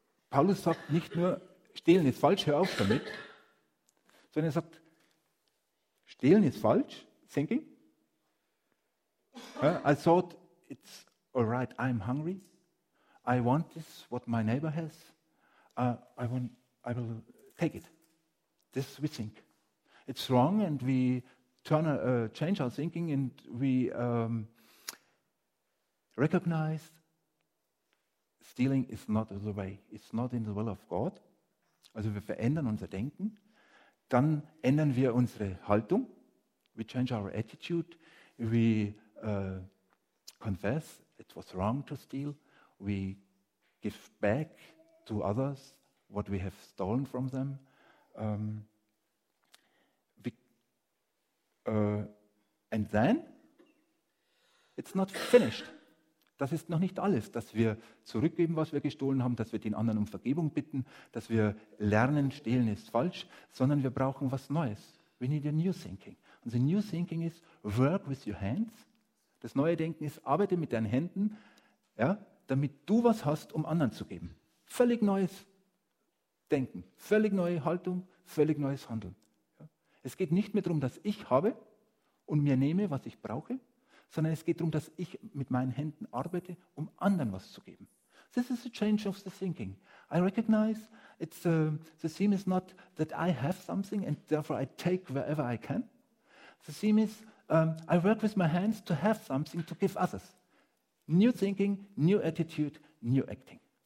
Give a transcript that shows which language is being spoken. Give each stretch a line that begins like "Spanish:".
German: Paulus sagt nicht nur, stehlen ist falsch, hör auf damit, sondern er sagt, stehlen ist falsch, thinking.
English: I thought, it's all right, I'm hungry, I want this, what my neighbor has, I will take it. This we think. It's wrong and we change our thinking and we recognize stealing is not the way. It's not in the will of God.
German: Also wir verändern unser Denken. Dann ändern wir unsere Haltung.
English: We change our attitude. We confess it was wrong to steal. We give back to others what we have stolen from them. And then it's not finished.
German: Das ist noch nicht alles, dass wir zurückgeben, was wir gestohlen haben, dass wir den anderen um Vergebung bitten, dass wir lernen, stehlen ist falsch, sondern wir brauchen was Neues.
English: We need a new thinking. And the new thinking is work with your hands.
German: Das neue Denken ist, arbeite mit deinen Händen, ja, damit du was hast, um anderen zu geben. Völlig neues Denken, völlig neue Haltung, völlig neues Handeln. Ja. Es geht nicht mehr darum, dass ich habe und mir nehme, was ich brauche, sondern es geht darum, dass ich mit meinen Händen arbeite, um anderen was zu geben.
English: This is a change of the thinking. I recognize it's the theme is not that I have something and therefore I take wherever I can. The theme is I work with my hands to have something to give others. New thinking, new attitude, new acting.